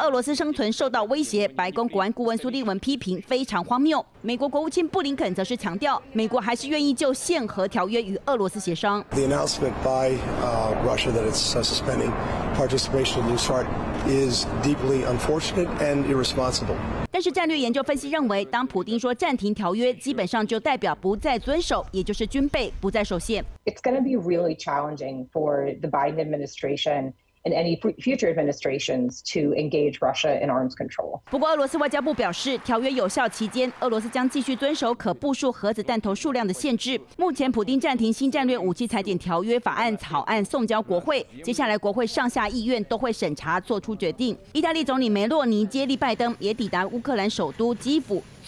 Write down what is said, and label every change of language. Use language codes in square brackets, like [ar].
[zh] 北约、欧盟与乌克兰首度三方会谈，直接回应普丁核威胁。因为美俄拥有核弹投数量占全球90%，双方2011年签署新战略武器裁减条约，作为最后一个主要的现武条约。后来在2021年，美国总统拜登上任后不久，延长实施5年。根据新战略武器裁减条约规定，美俄双方在洲际弹道飞弹、潜射弹道飞弹和重型轰炸机上部署的核弹头总数不得超过1550枚。普丁声称俄罗斯生存受到威胁。白宫国安顾问苏利文批评非常荒谬，美国国务卿布林肯则是强调，美国还是愿意就现核条约与俄罗斯协商。 [en] The announcement by Russia that it's suspending participation in New START is deeply unfortunate and irresponsible. [zh] 但是战略研究分析认为，当普丁说暂停条约，基本上就代表不再遵守，也就是军备不再受限。 [en] It's going to be really challenging for the Biden administration. And any future administrations to engage Russia in arms control. [zh] 不过，俄罗斯外交部表示，条约有效期间，俄罗斯将继续遵守可部署核子弹头数量的限制。目前，普丁暂停新战略武器裁减条约法案草案送交国会，接下来国会上下议院都会审查做出决定。意大利总理梅洛尼接力拜登也抵达乌克兰首都基辅。